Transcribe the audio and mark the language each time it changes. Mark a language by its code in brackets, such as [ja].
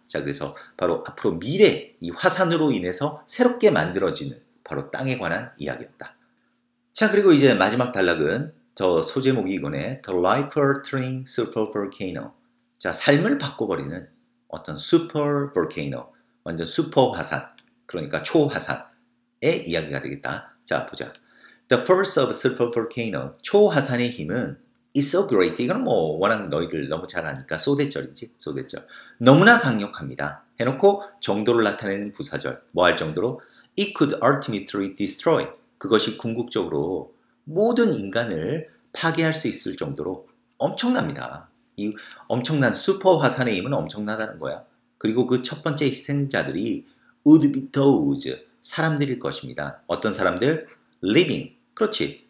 [ko] 자, 그래서 바로 앞으로 미래 이 화산으로 인해서 새롭게 만들어지는 바로 땅에 관한 이야기였다. 자, 그리고 이제 마지막 단락은 저 소제목이 이거네. [en] The life-altering super volcano. [ko] 자, 삶을 바꿔버리는 어떤 슈퍼 볼케이노, 완전 슈퍼 화산, 그러니까 초화산의 이야기가 되겠다. 자, 보자. [en] The force of super volcano, [ko] 초화산의 힘은 [en] is so great. [ko] 이건 뭐 워낙 너희들 너무 잘 아니까 소대절이지, 소대절. 너무나 강력합니다. 해놓고 정도를 나타내는 부사절. 뭐 할 정도로? [en] It could ultimately destroy. [ko] 그것이 궁극적으로 모든 인간을 파괴할 수 있을 정도로 엄청납니다. 이 엄청난 슈퍼 화산의 힘은 엄청나다는 거야. 그리고 그 첫 번째 희생자들이 [en] would be those, [ko] 사람들일 것입니다. 어떤 사람들? Living. 그렇지.